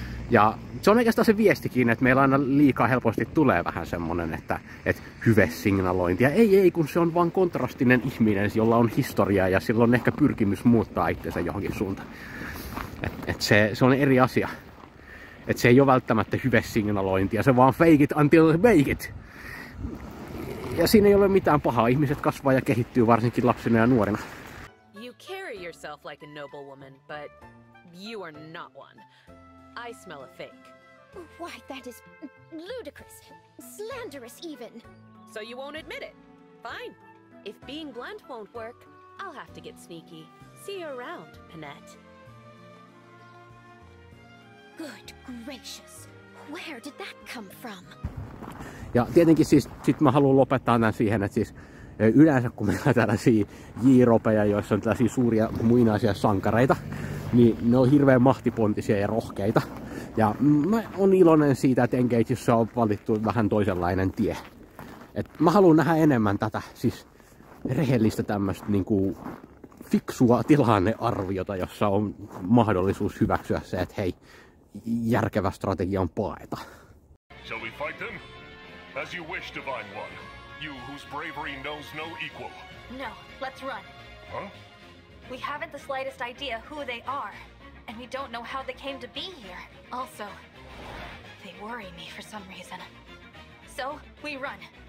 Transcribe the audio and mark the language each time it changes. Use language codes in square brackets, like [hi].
[fi] Ja se on oikeastaan se viestikin, että meillä aina liikaa helposti tulee vähän semmonen, että hyve signalointi. Ja ei, kun se on vaan kontrastinen ihminen, jolla on historiaa ja sillä on ehkä pyrkimys muuttaa itsensä johonkin suuntaan. Se on eri asia. Että se ei ole välttämättä hyve signalointi ja se vaan [en] fake it until make it. [fi] Ja siinä ei ole mitään pahaa. Ihmiset kasvaa ja kehittyy varsinkin lapsina ja nuorina. [en] You carry yourself like a noble woman, but you are not one. I smell a fake. Why, that is ludicrous, slanderous even. So you won't admit it? Fine. If being blunt won't work, I'll have to get sneaky. See you around, Panette. Good gracious. Where did that come from? [fi] Ja tietenkin siis, sit mä haluan lopettaa tämän siihen, että siis yleensä kun meillä on tällaisia jiiropeja, joissa on tällaisia suuria muinaisia sankareita, niin ne on hirveän mahtipontisia ja rohkeita. Ja mä oon iloinen siitä, että Engageissa on valittu vähän toisenlainen tie. Et mä haluan nähdä enemmän tätä, siis rehellistä tämmöstä niinku fiksua tilannearviota, jossa on mahdollisuus hyväksyä se, että hei, järkevä strategia on paeta. [en] Shall we fight them? As you wish, divine one. You whose bravery knows no equal. No, let's run. Huh? We haven't the slightest idea who they are, and we don't know how they came to be here. Also, they worry me for some reason. So, we run.